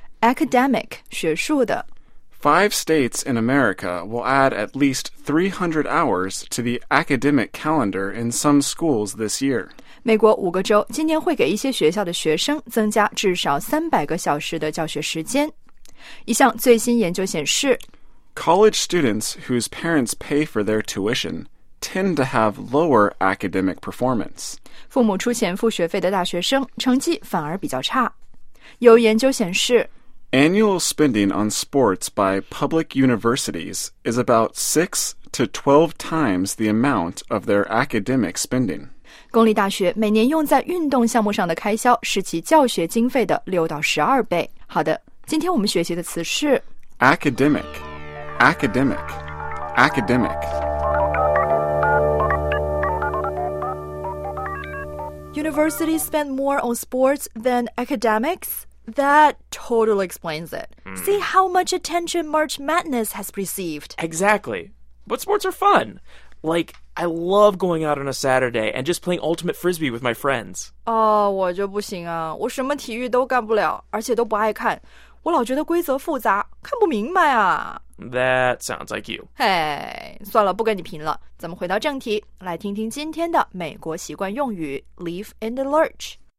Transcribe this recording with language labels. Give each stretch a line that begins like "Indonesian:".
Chinese: Academic, 学术的。
English: Five states in America will add at least 300 hours to the academic calendar in some schools this year.
Chinese: 美国五个州今年会给一些学校的学生增加至少300个小时的教学时间。一项最新研究显示，
English: College students whose parents pay for their tuition tend to have lower academic performance.
Chinese: 父母出钱付学费的大学生成绩反而比较差。有研究显示，
English: Annual spending on sports by public universities is about 6 to 12 times the amount of their academic spending.
Chinese: 公立大学每年用在运动项目上的开销是其教学经费的6到12倍。好的，今天我们学习的词是
English: academic, academic, academic. Universities spend more on sports than academics? That totally explains it. Mm. See how much attention March Madness has received. Exactly. But sports are fun. Like, I love going out on a Saturday and just playing Ultimate Frisbee with my friends.
Chinese: Oh, 我就不行啊。我什么体育都干不了，而且都不爱看。我老觉得规则复杂，看不明白啊。
English: That sounds like you.
Chinese: Hey, 算了，不跟你贫了。咱们回到正题，来听听今天的美国习惯用语 Leave in the Lurch。